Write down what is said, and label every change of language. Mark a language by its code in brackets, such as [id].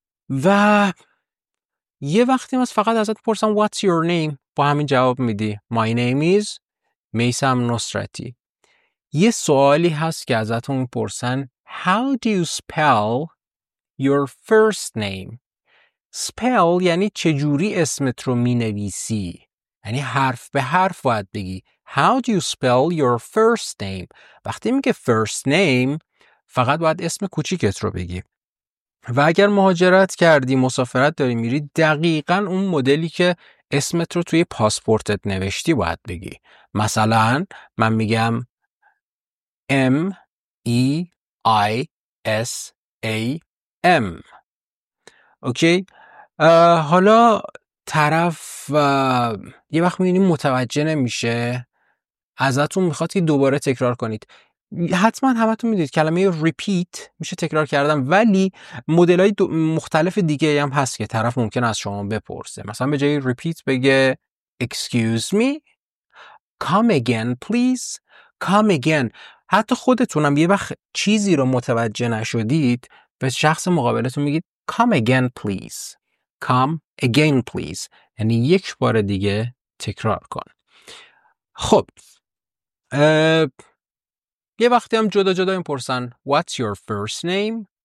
[fa] و یه وقتی من فقط ازت پرسم [en] What's your name؟ [fa] با همین جواب میدی [en] My name is Meysam Nosrati. [fa] یه سوالی هست که ازتون پرسن [en] How do you spell your first name؟ [fa] spell یعنی چجوری اسمت رو می نویسی، یعنی حرف به حرف باید بگی. [en] How do you spell your first name؟ [fa] وقتی میگه first name فقط باید اسم کوچیکت رو بگی. و اگر مهاجرت کردی، مسافرت داری میری، دقیقا اون مدلی که اسمت رو توی پاسپورتت نوشتی باید بگی. مثلا من میگم M-E-I-S-A-M. اوکی. حالا طرف یه وقت میبینی متوجه نمیشه، ازتون میخواد که دوباره تکرار کنید. حتما همتون میدید کلمه repeat میشه تکرار کردن، ولی مدلای مختلف دیگه هم هست که طرف ممکن از شما بپرسه. مثلا به جای repeat بگه [en] excuse me, come again [fa] please, come again. حتی خودتونم یه وقت چیزی رو متوجه نشدید، به شخص مقابلتون میگید [en] Come again, please. [fa] یعنی یک بار دیگه تکرار کن. خب یه وقتی هم جدا جدا این پرسن [en] What's your first name?